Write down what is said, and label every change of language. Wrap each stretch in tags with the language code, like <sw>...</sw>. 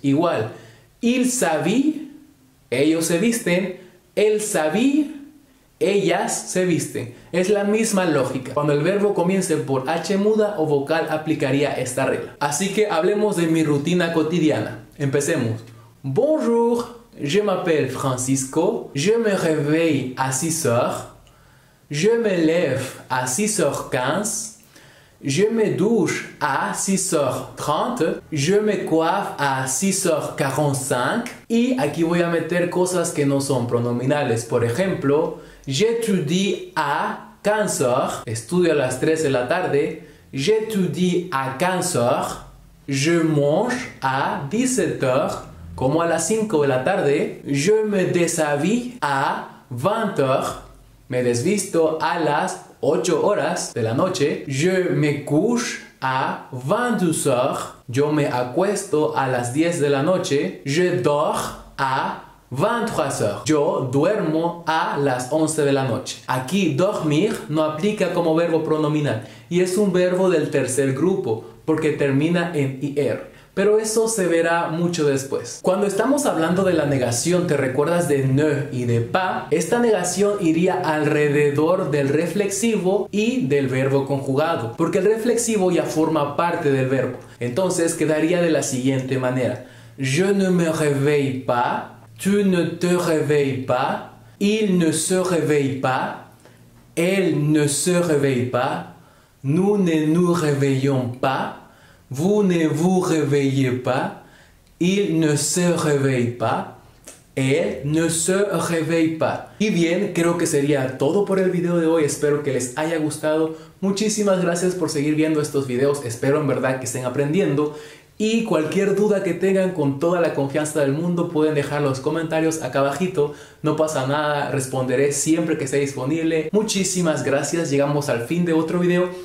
<es>Igual.</es> <fr>Il s'habille.</fr> <es>Ellos se visten.</es> <fr>Elle s'habille.</fr> <es>Ellas se visten. Es la misma lógica. Cuando el verbo comience por H muda o vocal aplicaría esta regla. Así que hablemos de mi rutina cotidiana. Empecemos.</es> <fr>Bonjour. Je m'appelle Francisco, je me réveille à 6h, je me lève à 6h15, je me douche à 6h30, je me coiffe à 6h45.</fr> <es>Y aquí voy a meter cosas que no son pronominales. Por ejemplo,</es> <fr>j'étudie à 15h,</fr> <es>estudio a las 3 de la tarde,</es> <fr>j'étudie à 15h, je mange à 17h.</fr> <es>Como a las 5 de la tarde,</es> <fr>je me déshabille à 20h,</fr> <es>me desvisto a las 8 horas de la noche,</es> <fr>je me couche à 22h,</fr> <es>yo me acuesto a las 10 de la noche,</es> <fr>je dors à 23h,</fr> <es>yo duermo a las 11 de la noche. Aquí dormir no aplica como verbo pronominal y es un verbo del tercer grupo porque termina en ir. Pero eso se verá mucho después. Cuando estamos hablando de la negación, ¿te recuerdas de ne y de pas? Esta negación iría alrededor del reflexivo y del verbo conjugado, porque el reflexivo ya forma parte del verbo. Entonces quedaría de la siguiente manera.</es> <fr>Je ne me réveille pas, tu ne te réveilles pas, il ne se réveille pas, elle ne se réveille pas, nous ne nous réveillons pas. Vous ne vous réveillez pas, il ne se réveille pas, elle ne se réveille pas.</fr> <es>Y bien, creo que sería todo por el video de hoy. Espero que les haya gustado. Muchísimas gracias por seguir viendo estos videos. Espero en verdad que estén aprendiendo. Y cualquier duda que tengan, con toda la confianza del mundo, pueden dejar los comentarios acá abajito. No pasa nada, responderé siempre que esté disponible. Muchísimas gracias, llegamos al fin de otro video.</es>